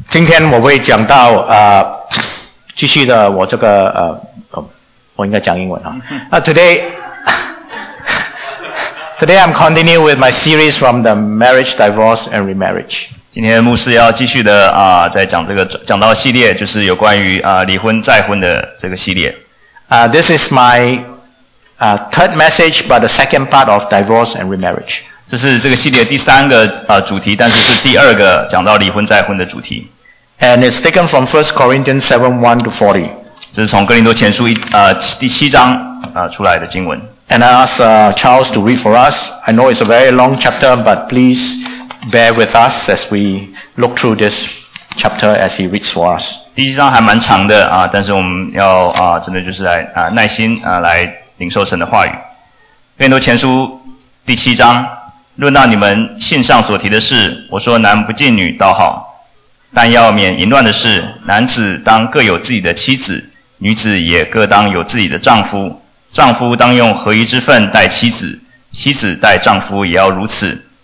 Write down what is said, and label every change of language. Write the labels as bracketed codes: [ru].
[zh] 今天我会讲到继续的我这个我应该讲英文啊。 [en] Today I'm continuing with my series from the marriage, divorce and remarriage. [zh] 今天牧师要继续的在讲这个讲到系列，就是有关于离婚再婚的这个系列。 [en] This is my third message, but the second part of divorce and remarriage. [zh] 这是这个系列第三个主题，但是是第二个讲到离婚再婚的主题。 [en] And it's taken from 1 Corinthians 7, 1 to 40. [zh] 这是从哥林多前书第七章出来的经文。 [en] And I ask Charles to read for us. I know it's a very long chapter, but please bear with us as we look through this chapter as he reads for us. [zh] 第七章还蛮长的但是我们要真的就是来耐心来领受神的话语。哥林多前书第七章，论到你们信上所提的事，我说男不近女倒好，但要免淫乱的事，男子当各有自己的妻子，女子也各当有自己的丈夫，丈夫当用合一之分待妻子，妻子待丈夫也要如此。